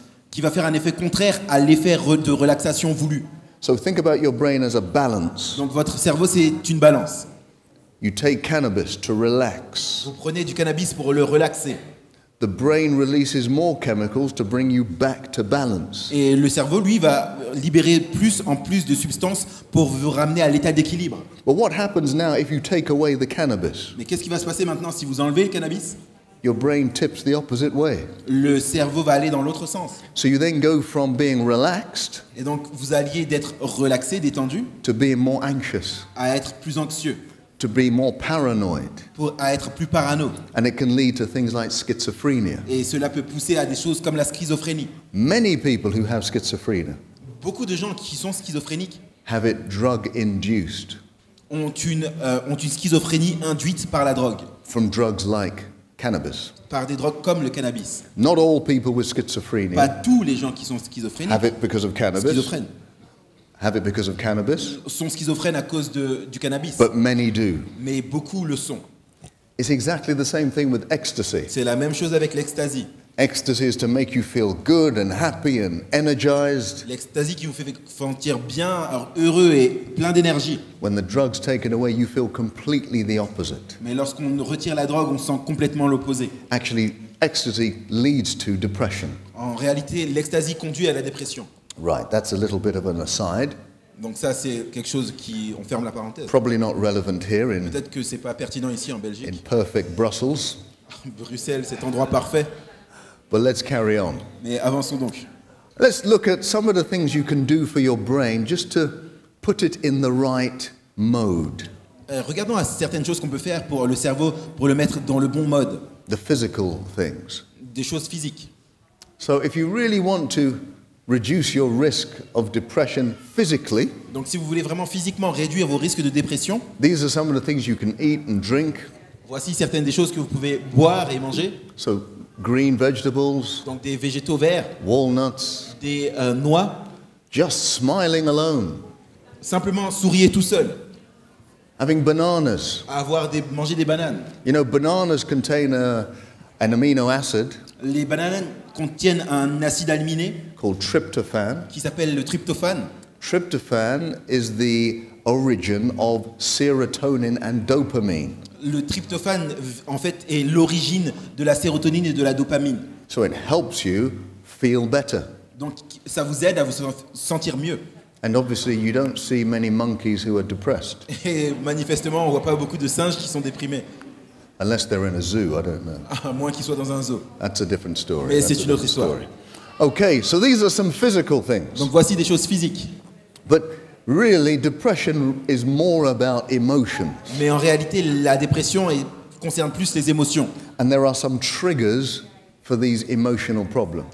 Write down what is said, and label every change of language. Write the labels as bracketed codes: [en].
[fr] Qui va faire un effet contraire à l'effet de relaxation voulu. [en] So think about your brain as a balance. [fr] Donc votre cerveau c'est une balance. [en] You take cannabis to relax. [fr] Vous prenez du cannabis pour le relaxer. [en] The brain releases more chemicals to bring you back to balance. [fr] Et le cerveau, lui, va libérer plus en plus de substances pour vous ramener à l'état d'équilibre. [en] But what happens now if you take away the cannabis? [fr] Mais qu'est-ce qui va se passer maintenant si vous enlevez le cannabis? [en] Your brain tips the opposite way. [fr] Le cerveau va aller dans l'autre sens. [en] So you then go from being relaxed. [fr] Et donc vous alliez d'être relaxé, détendu. [en] To being more anxious. [fr] À être plus anxieux. [en] To be more paranoid. [fr] Pour être plus parano. [en] And it can lead to things like schizophrenia. [fr] Et cela peut pousser à des choses comme la schizophrénie. [en] Many people who have schizophrenia. [fr] Beaucoup de gens qui sont schizophréniques. [en] Have it drug induced. [fr] Ont une schizophrénie induite par la drogue. [en] From drugs like cannabis. [fr] Par des drogues comme le cannabis. [en] Not all people with schizophrenia. [fr] Pas tous les gens qui sont schizophréniques. [en] Have it because of cannabis. [fr] Schizophrènes. [en] Have it because of cannabis. [fr] Sont schizophrènes à cause du cannabis. [en] But many do. [fr] Mais beaucoup le sont. [en] It's exactly the same thing with ecstasy. [fr] C'est la même chose avec l'ecstasy. [en] Ecstasy is to make you feel good and happy and energized. [fr] L'ecstasy qui vous fait sentir bien, heureux et plein d'énergie. [en] When the drug's taken away, you feel completely the opposite. [fr] Mais lorsqu'on retire la drogue, on sent complètement l'opposé. [en] Actually, ecstasy leads to depression. [fr] En réalité, l'ecstasy conduit à la dépression. [en] Right, that's a little bit of an aside. [fr] Donc ça c'est quelque chose qui on ferme la parenthèse. [en] Probably not relevant here in. [fr] Peut-être que c'est pas pertinent ici en Belgique. [en] In perfect Brussels. [fr] Bruxelles, cet endroit parfait. [en] But let's carry on. [fr] Mais avançons donc. [en] Let's look at some of the things you can do for your brain just to put it in the right mode. [fr] Regardons à certaines choses qu'on peut faire pour le cerveau pour le mettre dans le bon mode. [en] The physical things. [fr] Des choses physiques. [en] So if you really want to reduce your risk of depression physically. [fr] Donc si vous voulez vraiment physiquement réduire vos risques de dépression. [en] These are some of the things you can eat and drink. [fr] Voici certaines des choses que vous pouvez boire et manger. [en] So green vegetables. [fr] Donc des végétaux verts. [en] Walnuts. [fr] Des noix. [en] Just smiling alone. [fr] Simplement souriez tout seul. [en] Having bananas. [fr] Avoir des manger des bananes. [en] You know, bananas contain an amino acid. [fr] Les bananes contiennent un acide aminé. [en] Called tryptophan. [fr] Qui s'appelle le tryptophan. [en] Tryptophan is the origin of serotonin and dopamine. [fr] Le tryptophan, en fait, est l'origine de la sérotonine et de la dopamine. [en] So it helps you feel better. [fr] Donc, ça vous aide à vous sentir mieux. [en] And obviously, you don't see many monkeys who are depressed. [fr] Et manifestement, on voit pas beaucoup de singes qui sont déprimés. [en] Unless they're in a zoo, I don't know. [fr] À moins qu'ils soient dans un zoo. [en] That's a different story. [fr] Mais c'est une autre histoire. [en] Okay, so these are some physical things. [fr] Donc voici des choses physiques. [en] But really, depression is more about emotions. [fr] Mais en réalité, la dépression concerne plus les émotions. [en] And there are some triggers for these emotional problems.